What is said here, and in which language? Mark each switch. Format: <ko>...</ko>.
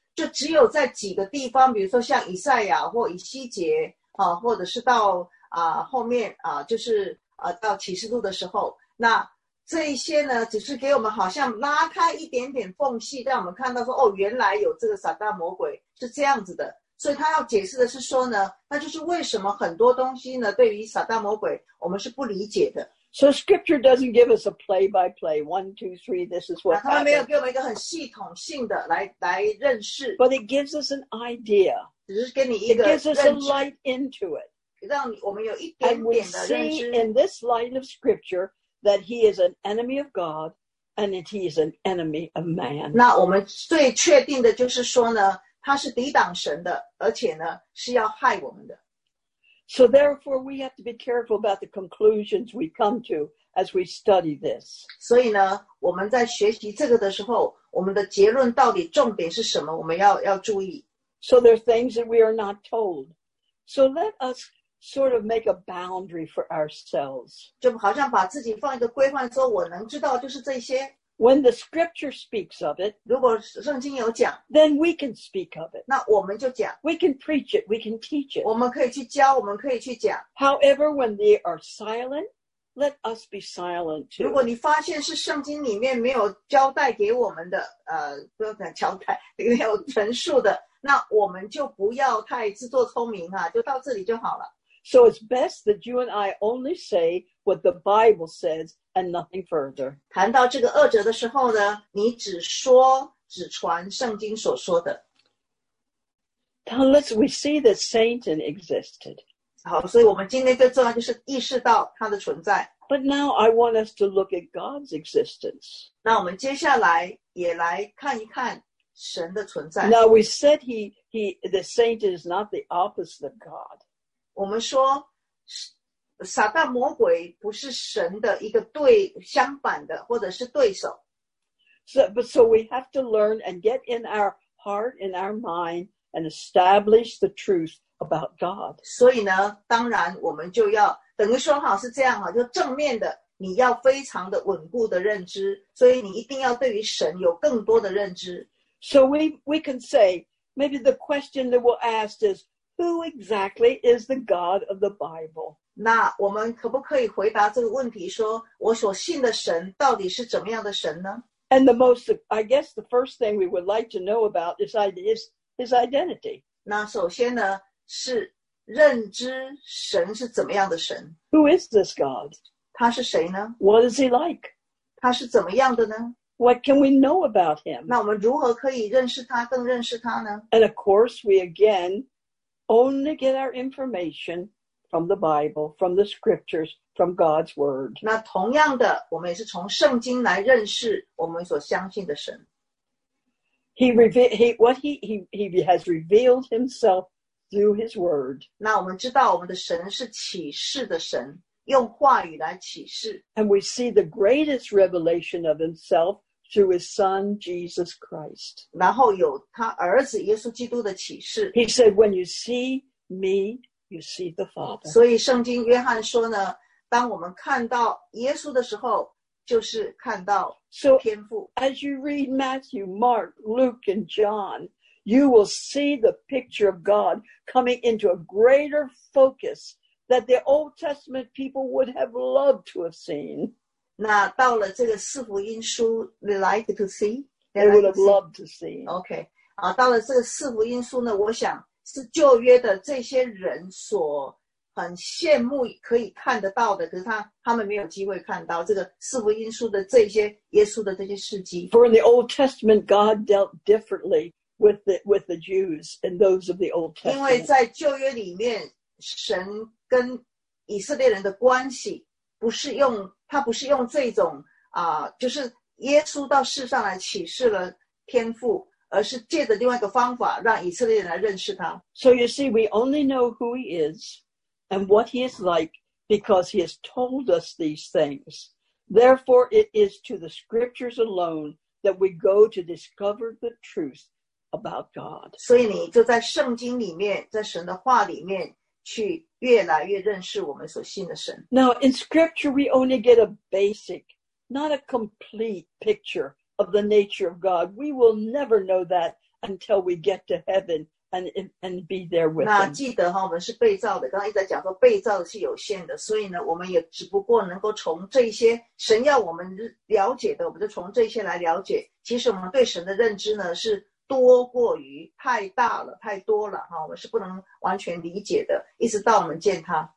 <zh>就只有在几个地方，比如说像以赛亚或以西结啊，或者是到啊后面啊，就是啊到启示录的时候，那这一些呢，只是给我们好像拉开一点点缝隙，让我们看到说，哦，原来有这个撒旦魔鬼是这样子的。所以他要解释的是说呢，那就是为什么很多东西呢，对于撒旦魔鬼，我们是不理解的。</zh> <en>So scripture doesn't give us a play by play, one, two, three, this is what happened.</en> <zh>他没有给我们一个很系统性的来认识。</zh> <en>But it gives us an idea.</en> <zh>只是给你一个认识。</zh> <en>It gives us a light into it.</en> <zh>让我们有一点点的认识。</zh> <en>And we see in this light of scripture that he is an enemy of God and that he is an enemy of man.</en> <zh>那我们最确定的就是说呢，他是抵挡神的，而且呢是要害我们的。</zh> <en>So therefore, we have to be careful about the conclusions we come to as we study this.</en> <zh>所以呢，我们在学习这个的时候，我们的结论到底重点是什么？我们要注意。</zh> <en>So there are things that we are not told. So let us sort of make a boundary for ourselves.</en> <zh>就好像把自己放一个规范，说我能知道就是这些。</zh> <en>When the scripture speaks of it,</en> <zh>如果圣经有讲,</zh> <en>then we can speak of it.</en> <zh>那我们就讲。</zh> <en>We can preach it, we can teach it.</en> <zh>我们可以去教,我们可以去讲。</zh> <en>However, when they are silent, let us be silent too.</en> <zh>如果你发现是圣经里面没有交代给我们的,不要讲交代,没有陈述的,那我们就不要太自作聪明啊,就到这里就好了。</zh> <en>So it's best that you and I only say what the Bible says, and nothing further.</en> <zh>谈到这个恶者的时候呢，你只说只传圣经所说的。</zh> <en>Now let's we see that Satan existed.</en> <zh>好，所以我们今天最重要就是意识到他的存在。</zh> <en>But now I want us to look at God's existence.</en> <zh>那我们接下来也来看一看神的存在。</zh> <en>Now we said he the Satan is not the opposite of God.</en> <zh>我们说撒旦魔鬼不是神的一个对相反的或者是对手。</zh> <en>So we have to learn and get in our heart, in our mind, and establish the truth about God.</en> <zh>所以呢当然我们就要等于说好是这样好就正面的你要非常的稳固的认知所以你一定要对于神有更多的认知。</zh> <en>So we can say, maybe the question that we'll ask is, who exactly is the God of the Bible?</en> <zh>那我们可不可以回答这个问题说我所信的神到底是怎么样的神呢</zh> <en>And the most, I guess the first thing we would like to know about is his identity.</en> <zh>那首先呢是认知神是怎么样的神</zh> <en>Who is this God?</en> <zh>他是谁呢</zh> <en>What is he like?</en> <zh>他是怎么样的呢</zh> <en>What can we know about him?</en> <zh>那我们如何可以认识他更认识他呢</zh> <en>And of course we again only get our information,from the Bible, from the scriptures, from God's word.</en> <zh>那同样的我们也是从圣经来认识我们所相信的神。</zh> <en>He has revealed himself through his word.</en> <zh>那我们知道我们的神是启示的神用话语来启示。</zh> <en>And we see the greatest revelation of himself through his son, Jesus Christ.</en> <zh>然后有他儿子耶稣基督的启示。</zh> <en>He said, when you see me,You see the Father.</en> <zh>所以圣经约翰说呢，当我们看到耶稣的时候，就是看到天父。</zh> <en>So, as you read Matthew, Mark, Luke, and John, you will see the picture of God coming into a greater focus that the Old Testament people would have loved to have seen.</en> <zh>那到了这个四福音书 ，</zh> <en>they like to see. They would have loved to see. Okay.</en> <zh>啊，到了这个四福音书呢，我想。是旧约的这些人所很羡慕可以看得到的可是他们没有机会看到这个四福音书的这些耶稣的这些事迹</zh> <en>For in the Old Testament, God dealt differently with the Jews and those of the Old Testament.</en> <zh>因为在旧约里面神跟以色列人的关系不是用他不是用这种啊、就是耶稣到世上来启示了天父而是借着另外一个方法让以色列人来认识他。</zh> <en>So you see, we only know who he is and what he is like because he has told us these things. Therefore, it is to the scriptures alone that we go to discover the truth about God.</en> <zh>所以你就在圣经里面，在神的话里面去越来越认识我们所信的神。</zh> <en>Now, in scripture, we only get a basic, not a complete picture.Of the nature of God. We will never know that until we get to heaven and be there with him.</en> <zh>那记得哈，我们是被造的，刚刚一直在讲说被造是有限的，所以呢，我们也只不过能够从这些神要我们了解的，我们就从这些来了解。其实我们对神的认知呢是多过于太大了，太多了哈，我们是不能完全理解的，一直到我们见他。</zh>